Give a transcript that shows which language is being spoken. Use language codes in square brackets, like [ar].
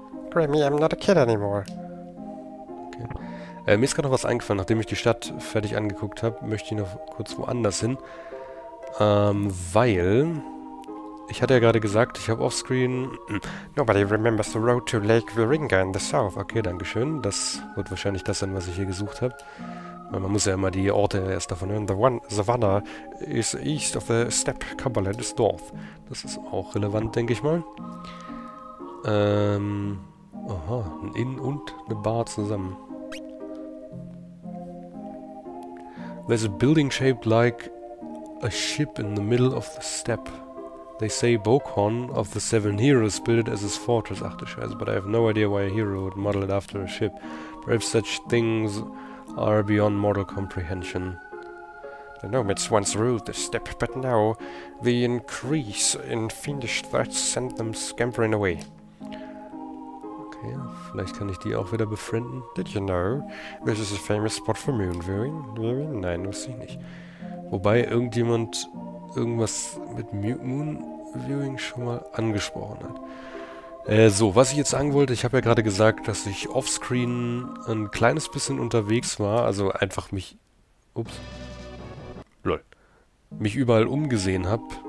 [en] Grammy, I'm not a kid anymore. [de] Mir ist gerade noch was eingefallen, nachdem ich die Stadt fertig angeguckt habe, möchte ich noch kurz woanders hin. Weil ich hatte ja gerade gesagt, ich habe offscreen. [en] Nobody remembers the road to Lake Viringa in the south. [de] Okay, dankeschön. Das wird wahrscheinlich das sein, was ich hier gesucht habe. Man muss ja immer die Orte erst davon hören. [en] The one Savannah is east of the steppe, Cumberland is north. [de] Das ist auch relevant, denke ich mal. Aha, ein Inn und eine Bar zusammen. [en] There's a building shaped like a ship in the middle of the steppe. They say Bokhorn of the Seven Heroes built it as his fortress. [de] Ach du Scheiße, [en] but I have no idea why a hero would model it after a ship. Perhaps such things are beyond mortal comprehension. The nomads once ruled the steppe, but now the increase in fiendish threats sent them scampering away. [de] Okay, vielleicht kann ich die auch wieder befrienden. [en] Did you know this is a famous spot for moon viewing? [de] Nein, wusste ich nicht. Wobei irgendjemand irgendwas mit moon viewing schon mal angesprochen hat. So, was ich jetzt sagen wollte, ich habe ja gerade gesagt, dass ich offscreen ein kleines bisschen unterwegs war, also einfach mich... Ups. Lol. Mich überall umgesehen habe.